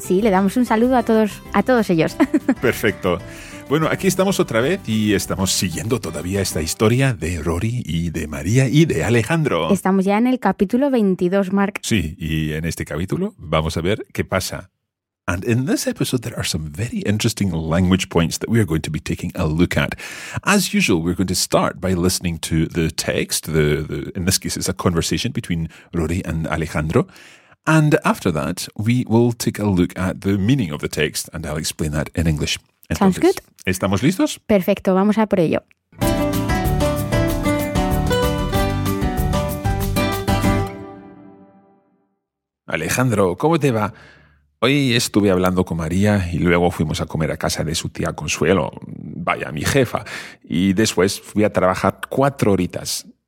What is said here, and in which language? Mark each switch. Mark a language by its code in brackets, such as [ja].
[es] Sí, le damos un saludo a todos ellos. Perfecto. Bueno, aquí estamos otra vez y estamos siguiendo todavía esta historia de Rory y de María y de Alejandro. Estamos ya en el capítulo 22, Marc. Sí, y en este capítulo vamos a ver qué pasa. [en] And in this episode, there are some very interesting language points that we are going to be taking a look at. As usual, we're going to start by listening to the text. In this case, it's a conversation between Rory and Alejandro. And after that, we will take a look at the meaning of the text, and I'll explain that in English. Entonces, sounds good. [es] ¿Estamos listos? Perfecto, vamos a por ello. Alejandro, ¿cómo te va? Hoy estuve hablando con María y luego fuimos a comer a casa de su tía Consuelo, vaya, mi jefa, y después fui a trabajar 4 horitas.